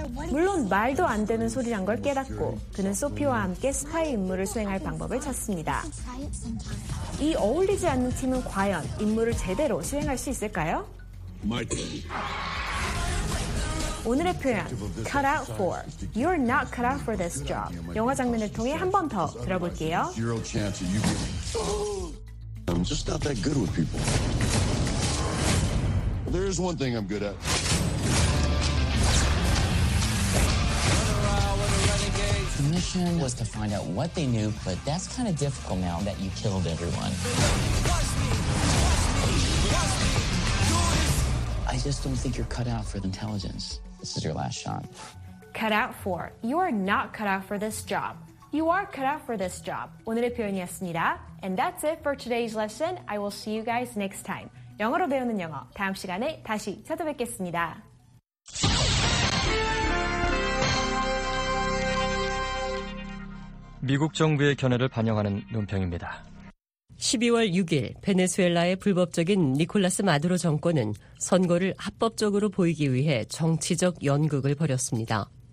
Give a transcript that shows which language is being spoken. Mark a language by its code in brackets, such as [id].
[ko] 물론 말도 안 되는 소리란 걸 깨닫고 그는 소피와 함께 스파이 임무를 수행할 방법을 찾습니다. 이 어울리지 않는 팀은 과연 임무를 제대로 수행할 수 있을까요? 마이크. 오늘의 표현 [en] cut out for. You're not cut out for this job. [ko] 영화 장면을 통해 한 번 더 들어볼게요. [en] I'm just not that good with people. There's one thing I'm good at. The mission was to find out what they knew, but that's kind of difficult now that you killed everyone. I just don't think you're cut out for the intelligence. This is your last shot. Cut out for. You are not cut out for this job. You are cut out for this job. [ko] 오늘의 표현이었습니다. [en] And that's it for today's lesson. I will see you guys next time. [ko] 영어로 배우는 영어, 다음 시간에 다시 찾아뵙겠습니다. ...미국 정부의 견해를 반영하는 논평입니다. 12월 6일 베네수엘라의 불법적인 니콜라스 마두로 정권은 선거를 합법적으로 보이기 위해 정치적 연극을 벌였습니다.